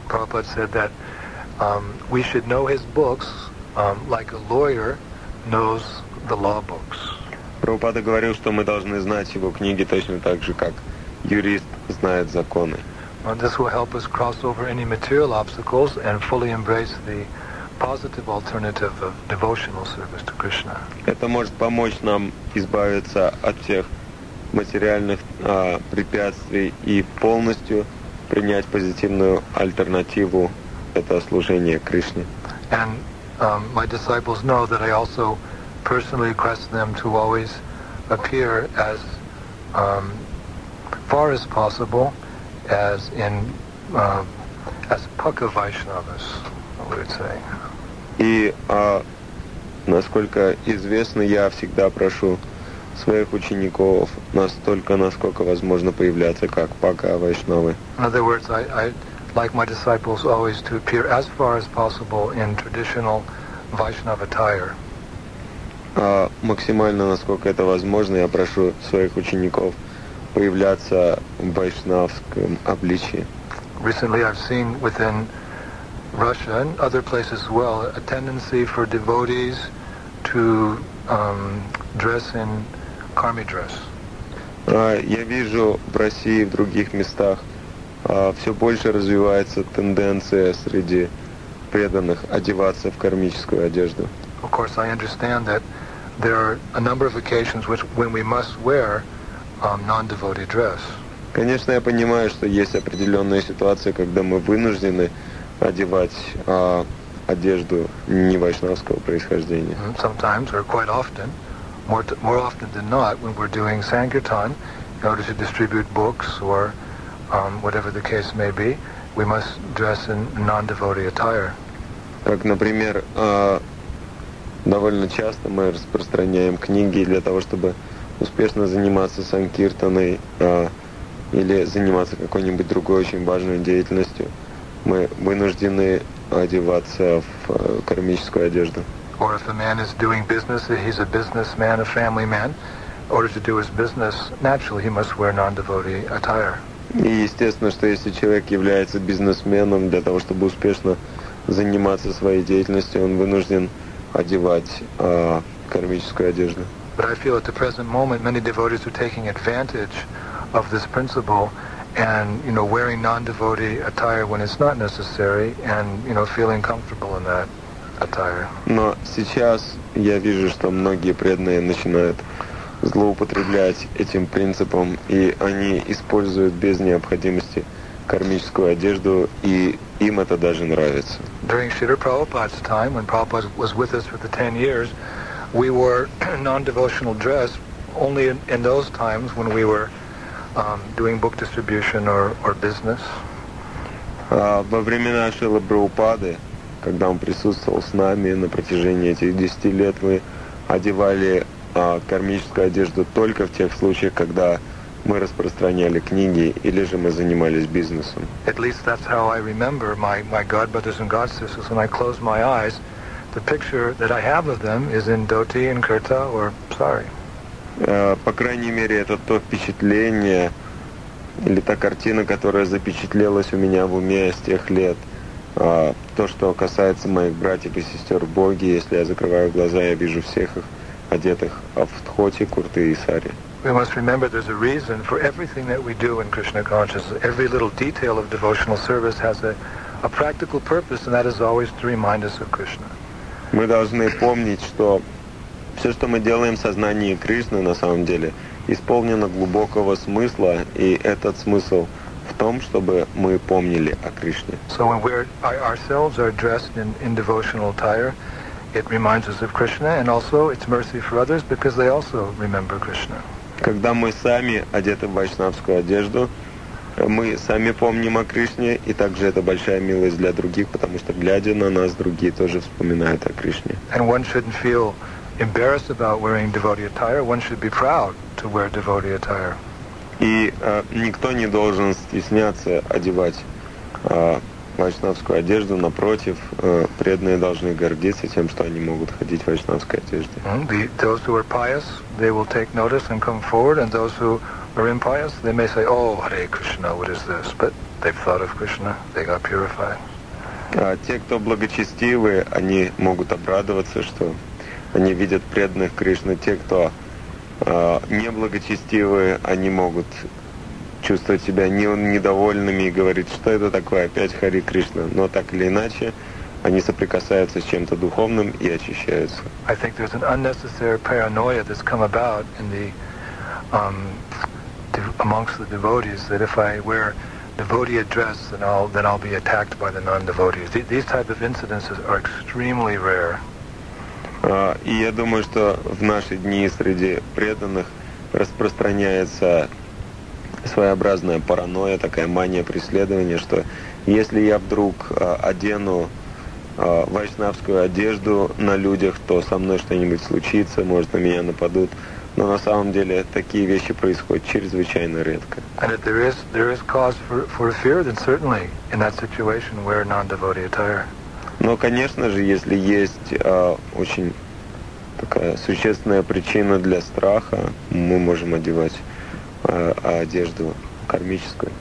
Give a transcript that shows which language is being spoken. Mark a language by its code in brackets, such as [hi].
[en] Prabhupada said that we should know his books like a lawyer knows the law books. [ru] Прабхупада говорил, что мы должны знать его книги точно так же, как юрист знает законы. [en] And this will help us cross over any material obstacles and fully embrace the positive alternative of devotional service to Krishna. [ru] Это может помочь нам избавиться от всех материальных препятствий и полностью принять позитивную альтернативу это служение Кришне. [en] And my disciples know that I also personally request them to always appear as far as possible as in as pukka Vaishnavas, I would say. [ru] И насколько известно, я всегда прошу своих учеников настолько, насколько возможно появляться как пукка Вайшнавы. [en] In other words, I like my disciples always to appear as far as possible in traditional Vaishnava attire. [ru] Максимально, насколько это возможно, я прошу своих учеников появляться в вайшнавском обличии. [en] Recently I've seen within Russia and other places as well a tendency for devotees to dress in karmi dress. [ru] Я вижу в России и в других местах все больше развивается тенденция среди преданных одеваться в кармическую одежду. [en] Of course, I understand that there are a number of occasions which, when we must wear non-devotee dress. [ru] Конечно, я понимаю, что есть определенные ситуации, когда мы вынуждены одевать одежду не вайшнавского происхождения. [en] Sometimes or quite often, more often than not, when we're doing sankirtan, in order to distribute books or whatever the case may be, we must dress in non-devotee attire. [ru] Как, например, довольно часто мы распространяем книги для того, чтобы успешно заниматься санкиртаной или заниматься какой-нибудь другой очень важной деятельностью. Мы вынуждены одеваться в кармическую одежду. [en] Or if a man is doing business, he's a businessman, a family man, in order to do his business, naturally he must wear non-devotee attire. [ru] И естественно, что если человек является бизнесменом для того, чтобы успешно заниматься своей деятельностью, он вынужден одевать кармическую одежду. [en] But I feel at the present moment many devotees are taking advantage of this principle and, you know, wearing non-devotee attire when it's not necessary and, you know, feeling comfortable in that attire. [ru] Но сейчас я вижу, что многие преданные начинают злоупотреблять этим принципом, и они используют без необходимости кармическую одежду, и им это даже нравится. [en] During Śrīla Prabhupāda's time, when Prabhupāda was with us for the 10 years, we wore non-devotional dress only in those times when we were doing book distribution or business. [ru] Во времена Шрилы Прабхупады, когда он присутствовал с нами на протяжении этих 10 лет, мы одевали кармическую одежду только в тех случаях, когда мы распространяли книги или же мы занимались бизнесом. [en] At least that's how I remember my godbrothers and godsisters. When I close my eyes, the picture that I have of them is in dhoti and kurta or sari. [ru] По крайней мере, это то впечатление или та картина, которая запечатлелась у меня в уме с тех лет. То, что касается моих братьев и сестер в Боге, если я закрываю глаза, я вижу всех их одетых в дхоти, курты и сари. [en] We must remember there's a reason for everything that we do in Krishna consciousness. Every little detail of devotional service has a practical purpose, and that is always to remind us of Krishna. [ru] Мы должны помнить, что все, что мы делаем в сознании Кришны, на самом деле, исполнено глубокого смысла, и этот смысл в том, чтобы мы помнили о Кришне. [en] So when we ourselves are dressed in devotional attire, it reminds us of Krishna, and also it's mercy for others because they also remember Krishna. [ru] Когда мы сами одеты в вайшнавскую одежду, мы сами помним о Кришне, и также это большая милость для других, потому что, глядя на нас, другие тоже вспоминают о Кришне. [en] And one shouldn't feel embarrassed about wearing devotee attire. One should be proud to wear devotee attire. [ru] И никто не должен стесняться одевать вайшнавскую одежду. Напротив, преданные должны гордиться тем, что они могут ходить в вайшнавской одежде. [en] Those who are pious, they will take notice and come forward, and those who are impious, they may say, oh, Hare Krishna, what is this? But they've thought of Krishna, they got purified. [ru] Те, кто благочестивы, они могут обрадоваться, что они видят преданных Кришны. Те, кто неблагочестивы, они могут чувствовать себя недовольными и говорить, что это такое, опять Хари Кришна. Но так или иначе, они соприкасаются с чем-то духовным и очищаются. [en] I think there's an unnecessary paranoia that's come about in the amongst the devotees, that if I wear devotee dress, then I'll be attacked by the non-devotees. These type of incidences are extremely rare. [ru] И я думаю, что в наши дни среди преданных распространяется своеобразная паранойя, такая мания преследования, что если я вдруг одену вайшнавскую одежду на людях, то со мной что-нибудь случится, может, на меня нападут. Но на самом деле такие вещи происходят чрезвычайно редко. [en] And if there is cause for fear, then certainly in that situation wear non-devotee attire. [ru] Но, конечно же, если есть очень такая существенная причина для страха, мы можем одевать одежду кармическую.